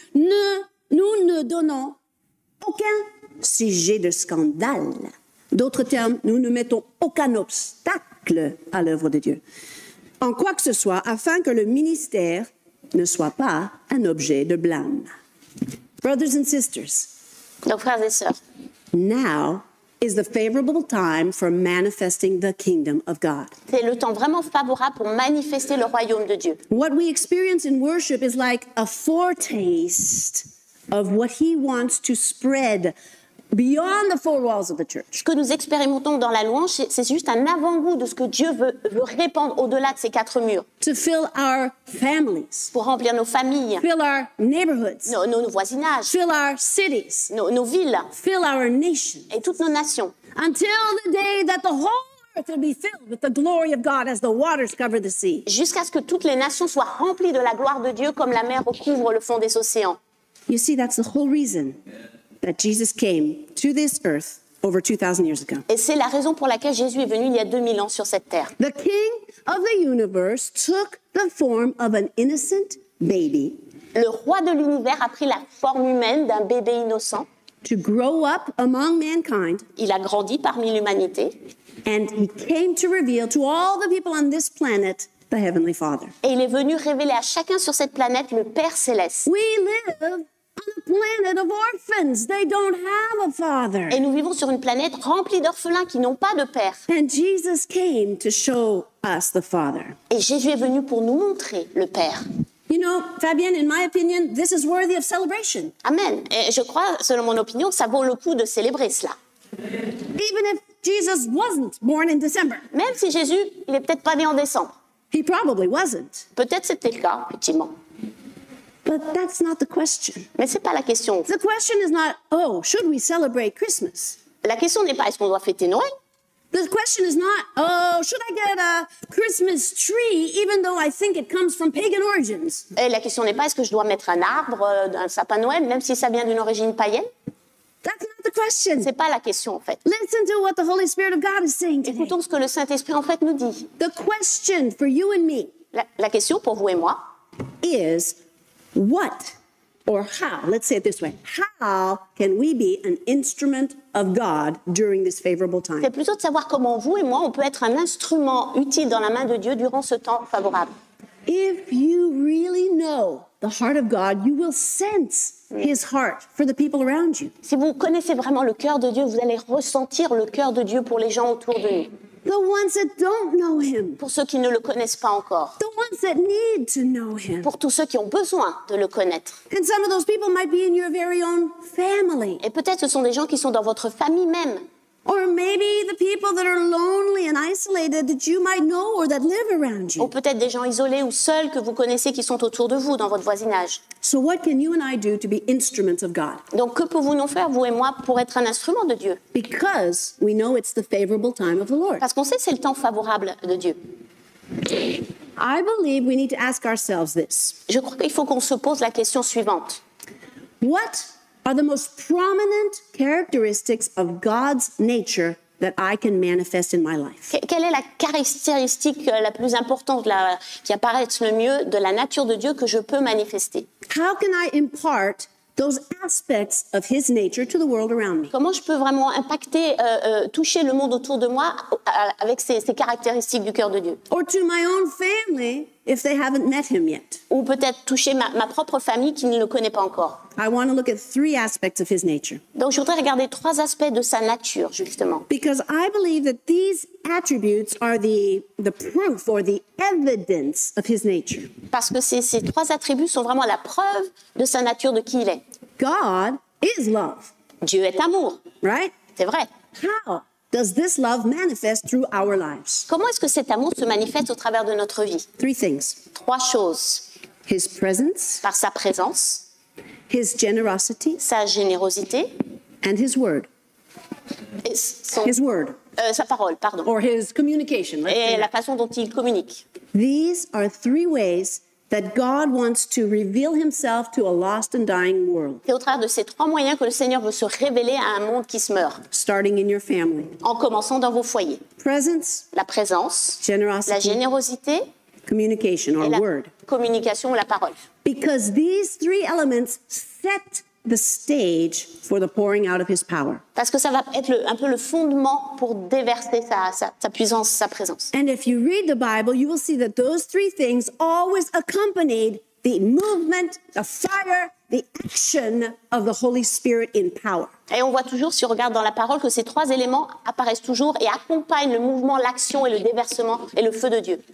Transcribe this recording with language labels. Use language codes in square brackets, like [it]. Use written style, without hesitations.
[fr] Nous ne donnons aucun sujet de scandale. D'autres termes, nous ne mettons aucun obstacle à l'œuvre de Dieu. En quoi que ce soit, afin que le ministère ne soit pas un objet de blâme. [en] Brothers and sisters. [fr] Donc, frères et sœurs. [en] Now is the favorable time for manifesting the kingdom of God. [fr] C'est le temps vraiment favorable pour manifester le royaume de Dieu. [en] What we experience in worship is like a foretaste of what he wants to spread beyond the four walls of the church. [fr] Ce que nous expérimentons dans la louange, c'est juste un avant-goût de ce que Dieu veut répandre au-delà de ces quatre murs. [en] To fill our families. [fr] Pour remplir nos familles. [en] Fill our neighborhoods. [fr] Nos voisinages. [en] Fill our cities. [fr] Nos villes. [en] Fill our nations. [fr] Et toutes nos nations. [en] Until the day that the whole earth will be filled with the glory of God as the waters cover the sea. [fr] Jusqu'à ce que toutes les nations soient remplies de la gloire de Dieu comme la mer recouvre le fond des océans. [en] You see, that's the whole reason. That Jesus came to this earth over 2,000 years ago. [fr] Et c'est la raison pour laquelle Jésus est venu il y a 2000 ans sur cette terre. [en] The King of the universe took the form of an innocent baby. [fr] Le roi de l'univers a pris la forme humaine d'un bébé innocent. [en] To grow up among mankind. [fr] Il a grandi parmi l'humanité. [en] And he came to reveal to all the people on this planet the Heavenly Father. [fr] Et il est venu révéler à chacun sur cette planète le Père céleste. [en] We live on a planet of orphans, they don't have a father. [fr] Et nous vivons sur une planète remplie d'orphelins qui n'ont pas de père. [en] And Jesus came to show us the Father. [fr] Et Jésus est venu pour nous montrer le Père. [en] You know, Fabienne, in my opinion, this is worthy of celebration. Amen. [fr] Et je crois, selon mon opinion, ça vaut le coup de célébrer cela. [en] Even if Jesus wasn't born in December. [fr] Même si Jésus, il est peut-être pas né en décembre. [en] He probably wasn't. [fr] Peut-être c'était le cas, effectivement. [en] But that's not the question. [fr] Mais c'est pas la question. [en] The question is not, oh, should we celebrate Christmas? [fr] La question n'est pas, est-ce qu'on doit fêter Noël? [en] The question is not, oh, should I get a Christmas tree, even though I think it comes from pagan origins? [fr] Et la question n'est pas, est-ce que je dois mettre un arbre, un sapin Noël, même si ça vient d'une origine païenne? [en] That's not the question. [fr] C'est pas la question, en fait. [en] Listen to what the Holy Spirit of God is saying today. [fr] Écoutons ce que le Saint-Esprit, en fait, nous dit. [en] The question for you and me. [fr] La question pour vous et moi. [en] Is... What or how, let's say it this way, how can we be an instrument of God during this favorable time? [fr] C'est plutôt de savoir comment vous et moi, on peut être un instrument utile dans la main de Dieu durant ce temps favorable. [en] If you really know the heart of God, you will sense His heart for the people around you. [fr] Si vous connaissez vraiment le cœur de Dieu, vous allez ressentir le cœur de Dieu pour les gens autour de nous. [en] The ones that don't know Him. [fr] Pour ceux qui ne le connaissent pas encore. [en] The ones that need to know Him. [fr] Pour tous ceux qui ont besoin de le connaître. [en] And some of those people might be in your very own family. [fr] Et peut-être ce sont des gens qui sont dans votre famille même. [en] Or maybe the people that are lonely and isolated that you might know or that live around you. [fr] Ou peut-être des gens isolés ou seuls que vous connaissez qui sont autour de vous dans votre voisinage. [en] So what can you and I do to be instruments of God? [fr] Donc que pouvons-nous faire vous et moi pour être un instrument de Dieu? [en] Because we know it's the favorable time of the Lord. [fr] Parce qu'on sait c'est le temps favorable de Dieu. [en] I believe we need to ask ourselves this. [fr] Je crois qu'il faut qu'on se pose la question suivante. [en] What are the most prominent characteristics of God's nature that I can manifest in my life? [fr] Quelle est la caractéristique la plus importante qui apparaît le mieux de la nature de Dieu que je peux manifester? [en] How can I impart those aspects of His nature to the world around me? [fr] Comment je peux vraiment impacter, toucher le monde autour de moi avec ces caractéristiques du cœur de Dieu? [en] Or to my own family, if they haven't met Him yet. [fr] Ou peut-être toucher ma propre famille qui ne le connaît pas encore. [en] I want to look at three aspects of His nature. [fr] Donc je voudrais regarder trois aspects de sa nature, justement. [en] Because I believe that these attributes are the proof or the evidence of His nature. [fr] Parce que ces trois attributs sont vraiment la preuve de sa nature, de qui il est. [en] God is love. [fr] Dieu est amour. [en] Right? [fr] C'est vrai. [en] How does this love manifest through our lives? [fr] Comment est-ce que cet amour se manifeste au travers de notre vie? [en] Three things. [fr] Trois choses. [en] His presence. [fr] Par sa présence. [en] His generosity. [fr] Sa générosité. [en] And His word. His word. [fr] Sa parole, pardon. [en] Or His communication. [fr] Et la façon dont il communique. [en] These are three ways that God wants to reveal Himself to a lost and dying world. [fr] C'est au travers de ces trois moyens que le Seigneur veut se révéler à un monde qui se meurt. [en] Starting in your family. [fr] En commençant dans vos foyers. [en] Presence. [fr] La présence. [en] Generosity. [fr] La générosité. [en] Communication or word. [fr] Communication ou la parole. [en] Because these three elements set the stage for the pouring out of His power. [fr] Parce que ça va être un peu le fondement pour déverser sa puissance, sa présence. [en] And if you read the Bible, you will see that those three things always accompanied the movement, the fire, the action of the Holy Spirit in power. [fr] Et on voit toujours, si on regarde dans la parole, que ces trois éléments apparaissent toujours et accompagnent le mouvement, l'action et le déversement et le feu de Dieu.